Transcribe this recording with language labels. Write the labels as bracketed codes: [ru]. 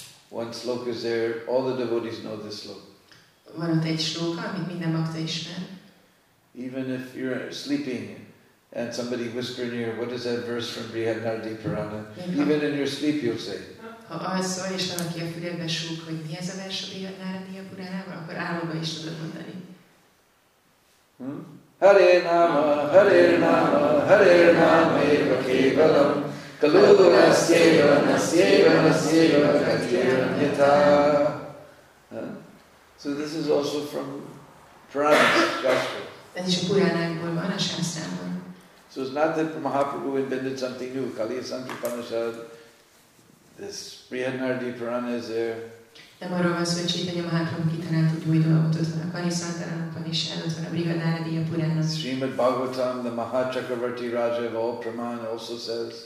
[en] One sloka is there, all the devotees know this sloka. Even if you're sleeping and somebody whisper in your ear, what is that verse from Brihadnaradiya Purana? Even in your sleep you'll say. [hu] Ha alszol, és valaki a fülébe súg, hogy mi ez a vers, hogy a Náradia Puránában, akkor álomba is tudod mondani. Hare Nama, Hare Nama, Hare Nama, Eva Kevalam, Kaludura Sjeva, Nasjeva, Nasjeva, Katjeva, Nyata. [en] So this is also from Purana, Shastra. [hu] Ez is a Puránákból van, a Shastrából. [en] So it's not that Mahaprabhu invented something new. Kaliya Santra Upanishad, this Brihadnaradiya Purana is there. [hu] Nem arról van szó, hogy Chaitanya Mahaprabhu kitalált egy új dolgot, ott van a Kanisantara Upanishad, ott van a Brihadnaradiya Purana. [en] Srimad Bhagavatam, the Mahachakravarti Raja of all Praman also says.